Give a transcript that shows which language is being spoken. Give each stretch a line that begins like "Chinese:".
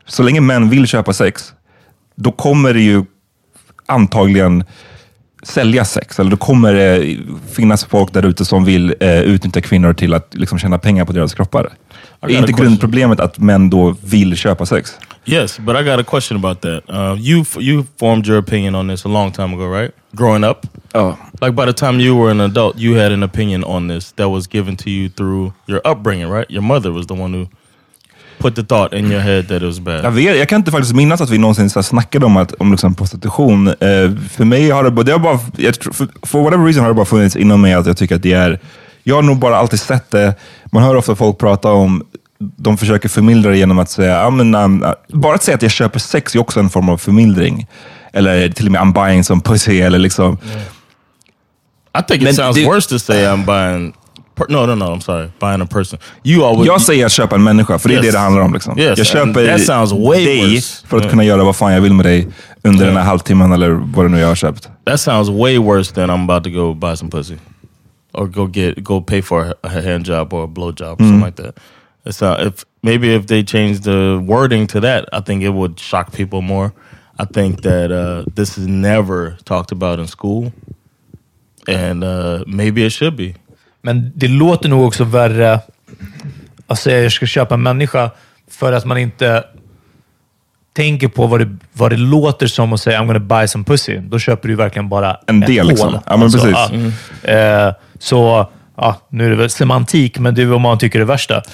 Swedish: Så länge män vill köpa sex, då kommer det ju antagligen sälja sex, eller då kommer det finnas folk där ute som vill utnyttja kvinnor till att liksom tjäna pengar på deras kroppar. Är inte grundproblemet att män då vill köpa sex?
English: Yes, but I got a question about that. You formed your opinion on this a long time ago, right? Growing up? Oh. Like by the time you were an adult, you had an opinion on this that was given to you through your upbringing, right? Your mother was the one who put the thought in your head that it was bad.
Swedish: Jag kan inte faktiskt minnas att vi någonsin så snackade om liksom prostitution. För mig har det bara,
English: for whatever reason
Swedish: har det bara funnits inom mig att jag tycker att det är, jag har nog bara alltid sett det. Man hör ofta folk prata om, de försöker förmildra det genom att säga, bara att säga att jag köper sex är också en form av förmildring. Eller till och med,
English: I'm buying some pussy,
Swedish: eller liksom.
English: Yeah. I think it sounds worse to say I'm buying, no, I'm sorry, buying a person. You always,
Swedish: jag säger jag köper en människa, för det är det handlar om. Liksom.
English: Yes,
Swedish: jag köper
English: that sounds way
Swedish: dig
English: worse.
Swedish: För att kunna göra vad fan jag vill med dig under den här halvtimmen, eller vad det nu jag har köpt.
English: That sounds way worse than I'm about to go buy some pussy. Or go pay for a hand job or a blow job or something like that. So if they change the wording to that, I think it would shock people more. I think that this is never talked about in school, and maybe it should be.
Swedish: Men det låter nog också värre att säga jag ska köpa en människa, för att man inte tänker på vad det låter som att säga
English: I'm gonna buy some pussy.
Swedish: Då köper du verkligen bara en del. Liksom. Ja, men alltså, precis. Så nu är det väl semantik, men det är vad man tycker är det värsta.